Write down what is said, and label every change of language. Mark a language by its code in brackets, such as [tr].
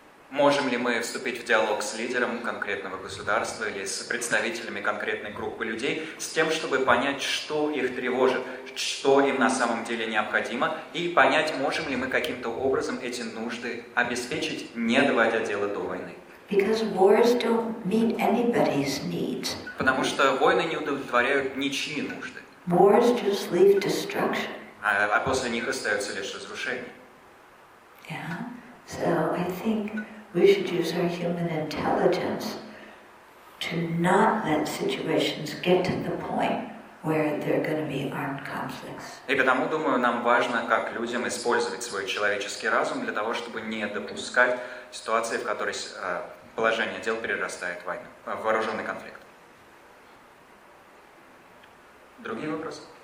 [ru] Можем ли мы вступить в диалог с лидером конкретного государства или с представителями конкретной группы людей с тем, чтобы понять, что их тревожит, что им на самом деле необходимо, и понять, можем ли мы каким-то образом эти нужды обеспечить, не доводя дело до войны? [en] Because wars don't meet anybody's needs. [ru] Потому что войны не удовлетворяют ничьи нужды. [en] Wars just leave destruction. [ru] А после них остается лишь разрушение. [en] Yeah. So I think we should use our human intelligence to not let situations get to the point where there are going to be armed conflicts. [ru] И потому, думаю, нам важно, как людям, использовать свой человеческий разум для того, чтобы не допускать ситуации, в которой положение дел перерастает в войну, в вооруженный конфликт. Другие вопросы?